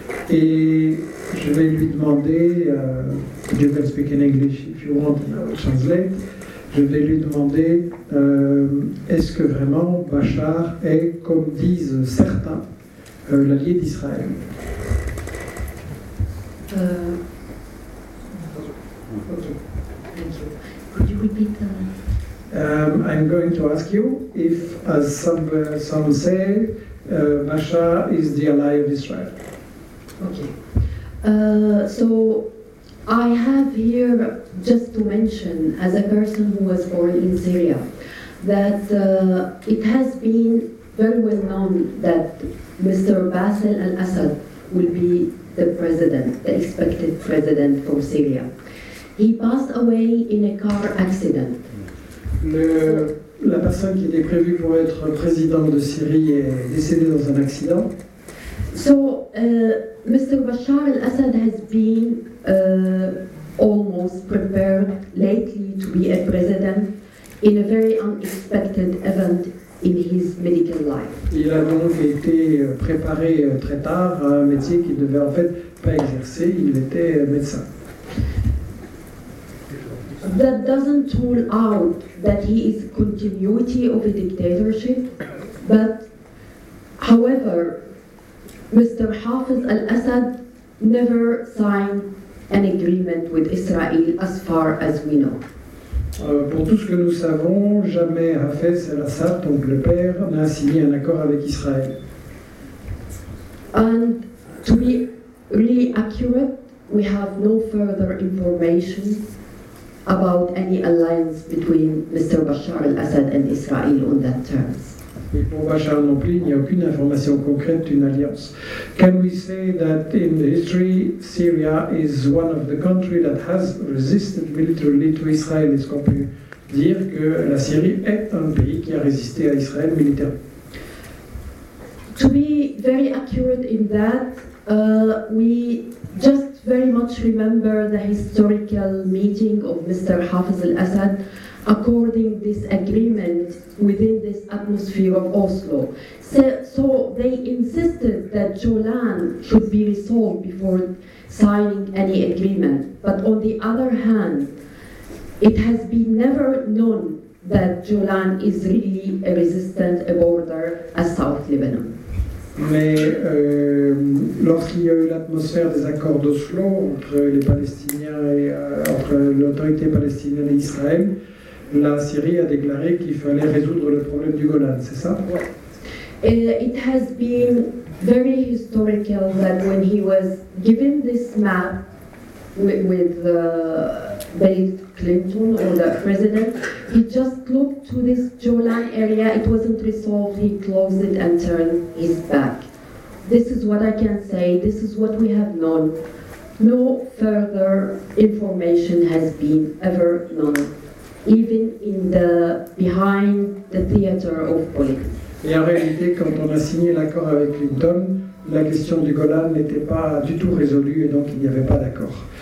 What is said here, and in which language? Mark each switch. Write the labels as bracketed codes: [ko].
[fr] Et je vais lui demander, [en] you can speak in English if you want, translate. [fr] Je vais lui demander, est-ce que vraiment Bachar est, comme disent certains, l'allié d'Israël? [en] I'm going to ask you if, as some say, Bashar is the ally of Israel. Okay. So I have here, just to mention, as a person who was born in Syria, that it has been very well known that Mr. Bashar al-Assad will be the president, the expected president for Syria. He passed away in a car accident. [fr] La personne qui était prévue pour être président de Syrie est décédée dans un accident. [en] So, Mr. Bashar al-Assad has been almost prepared lately to be a president in a very unexpected event in his medical life. [fr] Il a donc été préparé très tard à un métier qu'il ne devait en fait pas exercer, il était médecin. [en] That doesn't rule out that he is continuity of a dictatorship, but however, Mr. Hafez al-Assad never signed an agreement with Israel as far as we know. [fr] Pour tout ce que nous savons, jamais Hafez al-Assad, donc le père, n'a signé un accord avec Israël. [en] And to be really accurate, we have no further information about any alliance between Mr. Bashar al-Assad and Israel on that terms. [fr] Et pour Bashar non plus, il n'y a aucune information concrète d'une alliance. [en] Can we say that in the history, Syria is one of the countries that has resisted militarily to Israel? [fr] Est-ce qu'on peut dire que la Syrie est un pays qui a résisté à Israël militairement? [en] To be very accurate in that, we just very much remember the historical meeting of Mr. Hafez al-Assad according this agreement within this atmosphere of Oslo. So they insisted that Golan should be resolved before signing any agreement. But on the other hand, it has been never known that Golan is really a resistant border as South Lebanon. [fr] Mais lorsqu'il y a eu l'atmosphère des accords d'Oslo entre les Palestiniens et entre l'autorité palestinienne et Israël, la Syrie a déclaré qu'il fallait résoudre le problème du Golan, c'est ça? [en] It has been very historical that when he was given this map with Bill Clinton or the president, he just looked to this Golan area, it wasn't resolved, he closed it and turned his back. This is what I can say, this is what we have known. No further information has been ever known, even in the behind the theater of politics. [fr] Et en réalité, quand on a signé l'accord avec Clinton, la question du Golan n'était pas du tout résolue et donc il n'y avait pas d'accord.